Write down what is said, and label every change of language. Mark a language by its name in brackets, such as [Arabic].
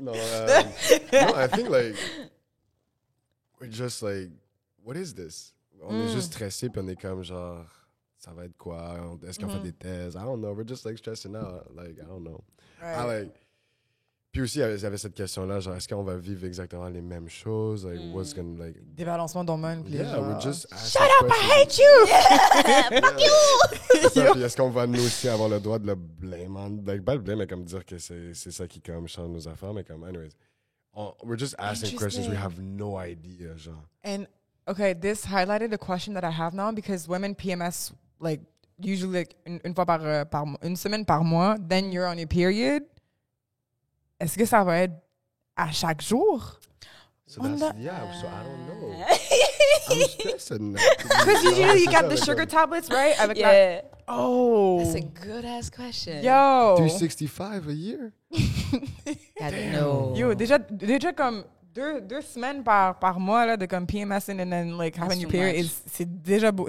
[English] No, I think like we're just like, what is this? [French] On est juste stressé, puis on est comme genre, ça va être quoi? Est-ce qu'on fait des tests? [English] I don't know. We're just like stressing out. Like I don't know. Right. I like. [French] Puis aussi, il y avait cette question là, genre, est-ce qu'on va vivre exactement les mêmes choses? [English] Like what's gonna like [French] débalancement d'hormones? [English] Yeah, genre, we're just shut up. I hate you. Fuck you. [French] Ça, puis est-ce qu'on va nous aussi avoir le droit de le blâmer? Like, pas le blâmer, mais comme dire que c'est ça qui comme change nos affaires, mais comme anyways. [English] We're just asking questions we have no idea, genre. And okay, this highlighted a question that I have now because women PMS like usually like [French] une fois par une semaine par mois, [English] then you're on your period. [French] Est-ce que ça va être à chaque jour? [English] So that's, so I don't know. I'm stressed. Because usually you got the sugar tablets, right? Yeah. Oh. That's a good-ass question. Yo. 365 a year? God, damn. No. [French] Yo, déjà comme deux semaines par mois là, de comme PMS [English] and then like having your period, [French] c'est déjà beau.